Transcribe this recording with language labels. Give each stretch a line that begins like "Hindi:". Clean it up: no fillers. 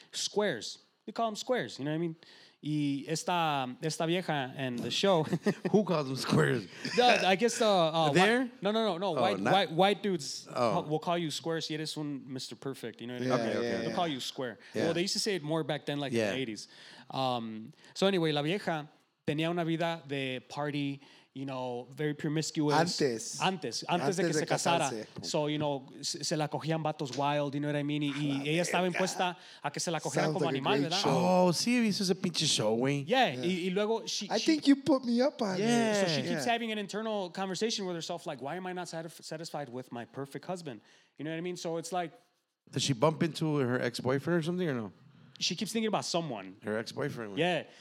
English: Squares. They call them squares. You know what I mean?
Spanish: Y esta vieja
English: and the show. Who calls them squares? I guess the... there? No. White dudes will call you squares.
Spanish: Y eres un
English: Mr. Perfect. You know what I mean? Yeah, okay. They'll call you square. Yeah. Well, they used to say it more back then, like in the 80s. So anyway,
Spanish: la vieja tenía una vida de party...
English: you know, very promiscuous.
Spanish: Antes de que se casara.
English: So, you know,
Spanish: se la cogían vatos
English: wild, you know what I mean?
Spanish: Y ella estaba impuesta a que se la cogieran como animal, ¿verdad?
English: Oh, sí, this is a pinche show, güey. Yeah,
Spanish: y luego
English: she... I think you put me up on it. Yeah, so she keeps having an internal conversation with herself, like, why am I not satisfied with my perfect husband? You know what I mean? So it's like... does she bump into her ex-boyfriend or something or no? She keeps thinking about someone. Her ex-boyfriend. Yeah.